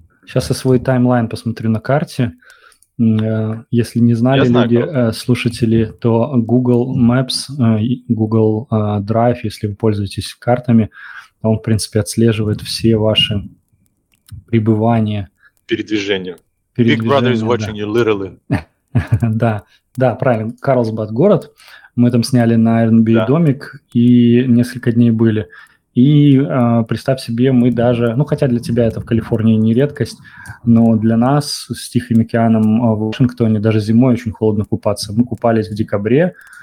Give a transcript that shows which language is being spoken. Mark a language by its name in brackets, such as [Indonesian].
[Russian] Сейчас я свой таймлайн посмотрю на карте. Если не знали люди, слушатели, то Google Maps, Google Drive, если вы пользуетесь картами, он, в принципе, отслеживает все ваши пребывания. Передвижение. [English] Big Brother is watching you, literally. [Russian] Да, да, правильно. Карлсбад город. Мы там сняли на Airbnb домик и несколько дней были. И представь себе, мы даже, ну хотя для тебя это в Калифорнии не редкость, но для нас с Тихим океаном в Вашингтоне даже зимой очень холодно купаться. Мы купались в декабре.